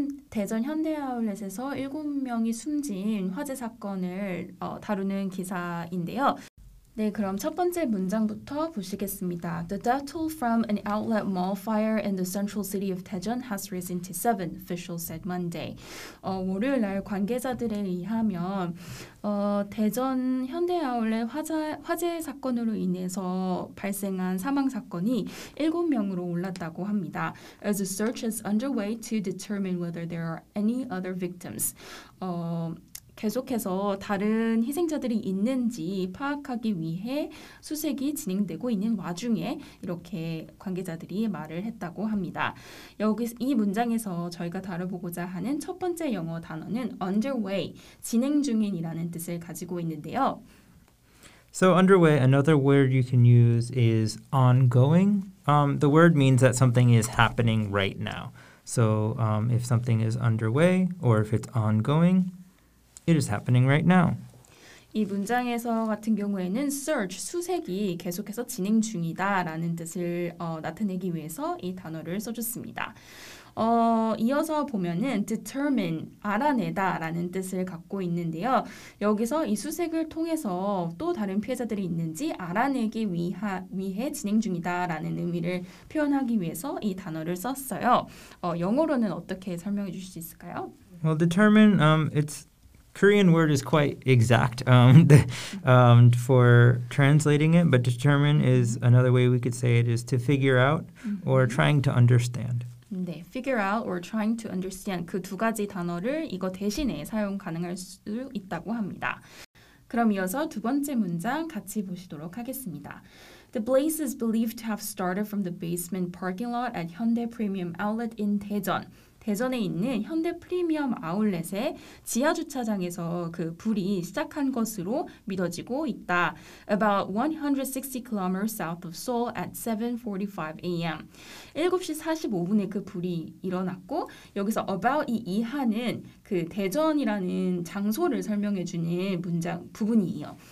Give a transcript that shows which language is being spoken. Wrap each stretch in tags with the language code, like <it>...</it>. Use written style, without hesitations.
<ko>대전 현대 아울렛에서 7명이 숨진 화재 사건을 다루는 기사인데요. 네, 그럼 첫 번째 문장부터 보시겠습니다.</ko> <en>The death toll from an outlet mall fire in the central city of Daejeon has risen to 7, officials said Monday.</en> <ko>월요일 날 관계자들에 의하면 대전 현대 아울렛 화재 사건으로 인해서 발생한 사망 사건이 7명으로 올랐다고 합니다.</ko> <en>As a search is underway to determine whether there are any other victims.</en> <ko>계속해서 다른 희생자들이 있는지 파악하기 위해 수색이 진행되고 있는 와중에 이렇게 관계자들이 말을 했다고 합니다. 여기 이 문장에서 저희가 다뤄보고자 하는 첫 번째 영어 단어는 underway, 진행 중인이라는 뜻을 가지고 있는데요.</ko> <en>So underway, another word you can use is ongoing. The word means that something is happening right now. So if something is underway or if it's ongoing, it is happening right now.</en> <ko>이 문장에서 같은 경우에는 search, 수색이 계속해서 진행 중이다라는 뜻을 나타내기 위해서 이 단어를 써줬습니다. 이어서 보면은 determine, 알아내다라는 뜻을 갖고 있는데요. 여기서 이 수색을 통해서 또 다른 피해자들이 있는지 알아내기 위해 진행 중이다라는 의미를 표현하기 위해서 이 단어를 썼어요. 영어로는 어떻게 설명해 주실 수 있을까요?</ko> <en>Well, determine, it's Korean word is quite exact for translating it, but determine is another way we could say it is to figure out or trying to understand. 네, figure out or trying to understand.</en> <ko>그 두 가지 단어를 이거 대신에 사용 가능할 수 있다고 합니다. 그럼 이어서 두 번째 문장 같이 보시도록 하겠습니다.</ko> <en>The blaze is believed to have started from the basement parking lot at Hyundai Premium Outlet in Daejeon.</en> <ko>대전에 있는 현대 프리미엄 아울렛의 지하 주차장에서 그 불이 시작한 것으로 믿어지고 있다.</ko> <en>About 160 kilometers south of Seoul at 7:45 a.m.</en> <ko>7시 45분에 그 불이 일어났고 여기서 about 이 이하는 그 대전이라는 장소를 설명해 주는 문장 부분이에요.</ko>